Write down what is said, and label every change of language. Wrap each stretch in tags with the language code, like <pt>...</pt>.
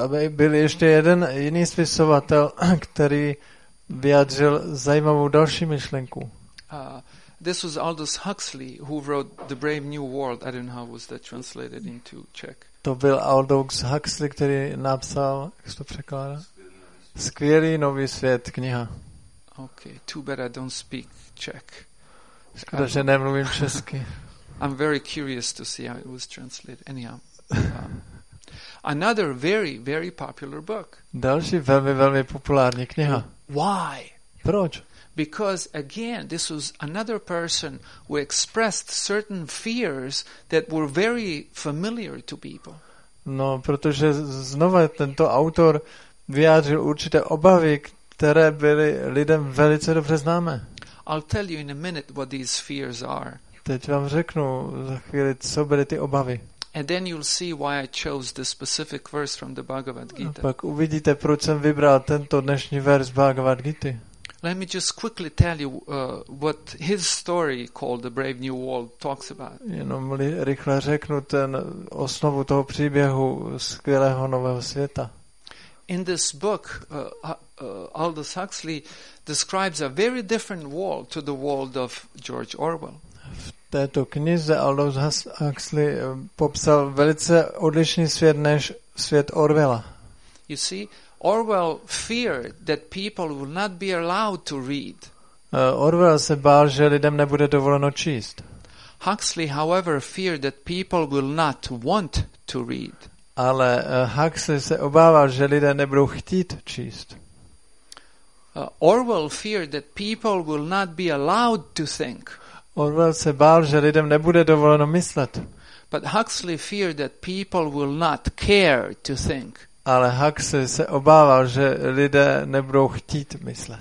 <cs>Byl ještě jeden jiný spisovatel, který vyjádřil zajímavou další myšlenku.</cs> <en>This was Aldous Huxley, who wrote The Brave New World. I don't know how was that translated into Czech.</en> <cs>To byl Aldous Huxley, který napsal, jak se to překládá? Skvělý nový svět, kniha.</cs> <en>Okay, too bad I don't speak Czech.</en> <cs>Škoda, že nemluvím česky.</cs> <en>I'm very curious to see how it was translated. Anyhow. Another very, very popular book.</en> <cs>Další velmi, velmi populární kniha.</cs> <en>Why?</en> <cs>Proč?</cs> <en>Because again, this was another person who expressed certain fears that were very familiar to people.</en> <cs>No, protože znova tento autor vyjádřil určité obavy, které byly lidem velice dobře známé.</cs> <en>I'll tell you in a minute what these fears are.</en> <cs>Teď vám řeknu za chvíli, co byly ty obavy.</cs> <en>And then you'll see why I chose this specific verse from the Bhagavad Gita.</en> <cs>A pak uvidíte, proč jsem vybral tento dnešní verš Bhagavad Gita.</cs> <en>Let me just quickly tell you what his story called The Brave New World talks about.</en> <cs>Jenom rychle řeknu ten osnovu toho příběhu Skvělého nového světa.</cs> <en>In this book, Aldous Huxley describes a very different world to the world of George Orwell.</en> <cs>V této knize Aldous Huxley popsal velice odlišný svět než svět Orwella.</cs> <en>You see, Orwell feared that people will not be allowed to read.</en> <cs>Orwell se bál, že lidem nebude dovoleno číst.</cs> <en>Huxley, however, feared that people will not want to read.</en> <cs>Ale Huxley se obával, že lidé nebudou chtít číst.</cs> <en>Orwell feared that people will not be allowed to think.</en> <cs>Orwell se bál, že lidem nebude dovoleno myslet.</cs> <en>But Huxley feared that people will not care to think.</en> <cs>Ale Huxley se obával, že lidé nebudou chtít myslet.</cs>